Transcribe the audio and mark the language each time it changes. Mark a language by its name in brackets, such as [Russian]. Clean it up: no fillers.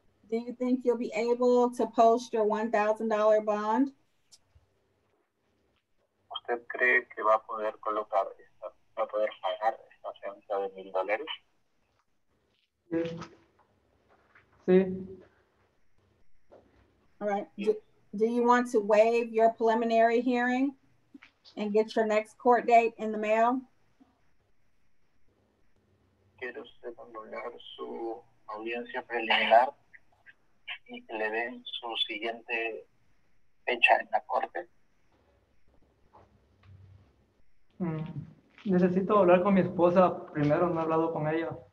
[English] Do you think you'll be able to post your $1,000 bond? [Spanish] ¿Usted cree que va a poder colocar, va a poder pagar esta fianza de $1,000? Sí. [English] All right. Do you want to waive your preliminary hearing and get your next court date in the mail? [Spanish] ¿Quiere usted anular su audiencia preliminar y que le den su siguiente fecha en la corte? Necesito hablar con mi esposa primero, no he hablado con ella.